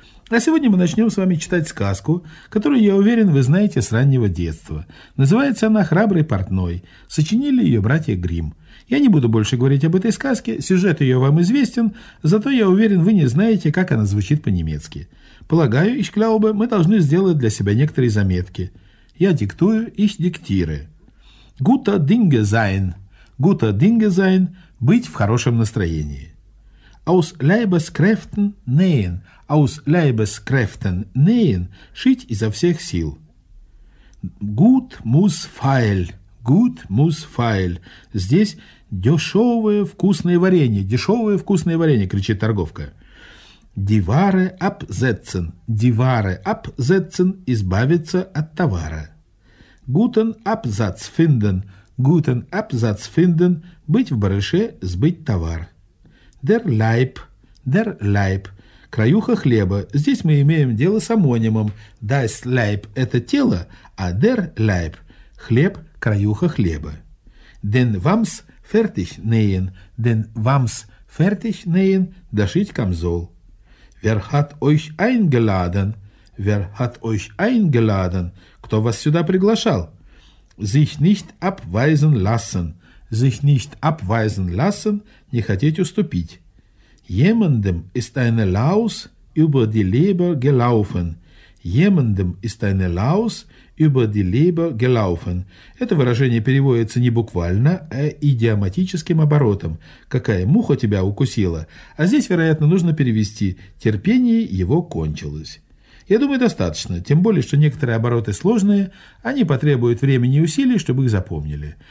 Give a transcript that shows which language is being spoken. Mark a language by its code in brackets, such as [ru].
[ru] А сегодня мы начнем с вами читать сказку, которую, я уверен, вы знаете с раннего детства. Называется она «Храбрый портной». Сочинили ее братья Гримм. Я не буду больше говорить об этой сказке, сюжет ее вам известен, зато, я уверен, вы не знаете, как она звучит по-немецки. Полагаю, [de] ich glaube, [ru] мы должны сделать для себя некоторые заметки. Я диктую, [de] ich diktiere. Gute Dinge sein. Gute Dinge sein [ru] – быть в хорошем настроении. [de] Aus Leibeskräften nähen. Aus Leibeskräften nähen [ru] – шить изо всех сил. [de] Gut muss feil. Gut muss feil. [ru] Здесь дешевое вкусное варенье. Дешевое вкусное варенье, кричит торговка. [de] Die Ware absetzen. Die Ware absetzen [ru] – избавиться от товара. [de] Guten Absatz finden. Guten Absatz finden [ru] – быть в барыше, сбыть товар. [de] Der Leib. [ru] Der Leib – краюха хлеба. Здесь мы имеем дело с омонимом. Das Leib – это тело, а der Leib – хлеб, краюха хлеба. [de] Den Wams fertig nähen. Den Wams fertig nähen – [ru] дошить камзол. [de] Wer hat euch eingeladen? Wer hat euch eingeladen? [ru] Кто вас сюда приглашал? [de] Sich nicht abweisen lassen. Sich nicht abweisen lassen – [ru] не хотеть уступить. [de] Jemandem ist eine Laus über die Leber gelaufen. Jemandem ist eine Laus über die Leber gelaufen. [ru] Это выражение переводится не буквально, а идиоматическим оборотом. Какая муха тебя укусила? А здесь, вероятно, нужно перевести. Терпение его кончилось. Я думаю, достаточно, тем более, что некоторые обороты сложные, они потребуют времени и усилий, чтобы их запомнили.